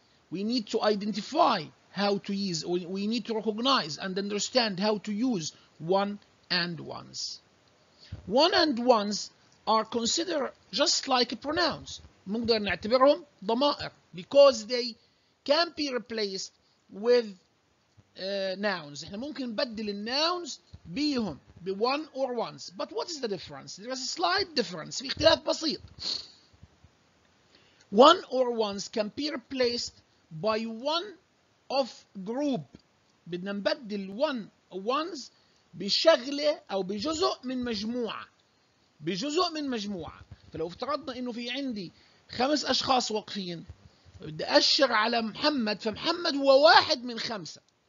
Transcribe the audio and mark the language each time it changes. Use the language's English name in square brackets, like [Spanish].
[English] We need to identify how to use. We need to recognize and understand how to use one and ones. One and ones are considered just like pronouns. [Arabic] ممكن نعتبرهم ضمائر [English] because they can be replaced with nouns. [Arabic] إحنا ممكن نبدل النouns بهم ب one or ones. [English] But what is the difference? There is a slight difference. [Arabic] في اختلاف بسيط. [English] One or ones can be replaced by one of group. [Arabic] بدنا نبدل one or ones بشغلة أو بجزء من مجموعة. بجزء من مجموعة. فلو افترضنا إنه في عندي خمس أشخاص واقفين بدي أشر على محمد فمحمد هو واحد من خمسة.